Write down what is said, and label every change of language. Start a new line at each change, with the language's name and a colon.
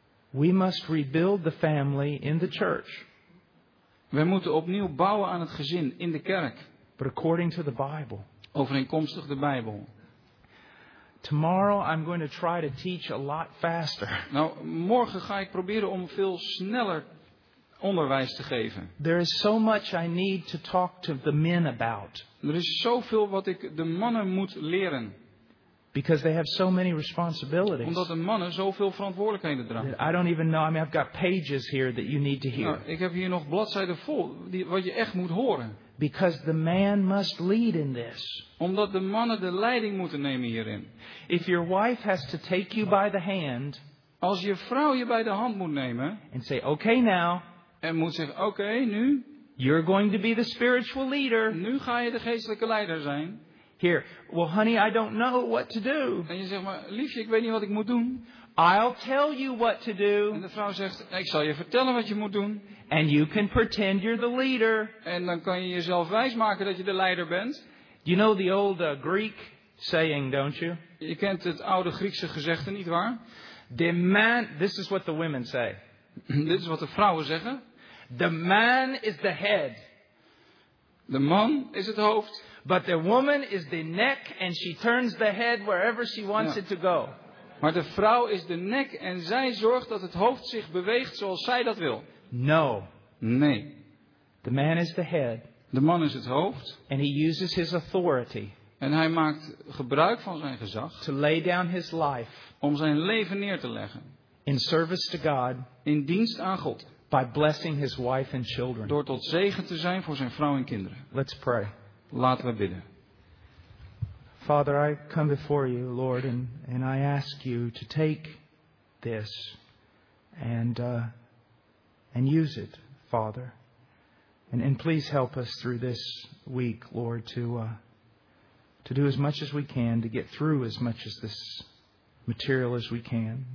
English: We must rebuild the family in the church.
Dutch: We moeten opnieuw bouwen aan het gezin in de kerk.
English: But according to the Bible.
Dutch: Overeenkomstig de Bijbel.
English: Tomorrow I'm going to try to teach a lot faster.
Dutch: Nou, morgen ga ik proberen om veel sneller onderwijs te geven.
English: There is so much I need to talk to the men about.
Dutch: Er is zoveel wat ik de mannen moet leren.
English: Because they have so many responsibilities.
Dutch: Omdat de mannen zoveel verantwoordelijkheden dragen.
English: I don't even know. I mean, I've got pages here that you need to hear.
Dutch: Nou, ik heb hier nog bladzijden vol die, wat je echt moet horen.
English: Because the man must lead in this.
Dutch: Omdat de mannen de leiding moeten nemen hierin.
English: If your wife has to take you by the hand.
Dutch: Als je vrouw je bij de hand moet nemen.
English: And say, okay now.
Dutch: En moet zeggen, okay, nu.
English: You're going to be the spiritual leader.
Dutch: Nu ga je de geestelijke leider zijn.
English: Here, well, honey, I don't know what to do.
Dutch: En je zegt maar, liefje, ik weet niet wat ik moet doen.
English: I'll tell you what to do.
Dutch: En de vrouw zegt, ik zal je vertellen wat je moet doen.
English: And you can pretend you're the leader.
Dutch: En dan kan je jezelf wijsmaken dat je de leider bent.
English: You know the old Greek saying, don't you?
Dutch: Je kent het oude Griekse gezegde, niet waar?
English: The man, this is what the women say.
Dutch: Dit is wat de vrouwen zeggen.
English: The man is the head.
Dutch: De man is het hoofd.
English: But the woman is the neck and she turns the head wherever she wants it to go.
Dutch: Maar de vrouw is de nek en zij zorgt dat het hoofd zich beweegt zoals zij dat wil.
English: No.
Dutch: Nee.
English: The man is the head.
Dutch: De man is het hoofd.
English: And he uses his authority.
Dutch: En hij maakt gebruik van zijn gezag.
English: To lay down his life.
Dutch: Om zijn leven neer te leggen.
English: In service to God.
Dutch: In dienst aan God.
English: By blessing his wife and children.
Dutch: Door tot zegen te zijn voor zijn vrouw en kinderen.
English: Let's pray.
Dutch: Laten we bidden.
English: Father, I come before you, Lord, and I ask you to take this and use it, Father. And please help us through this week, Lord, to do as much as we can, to get through as much of this material as we can.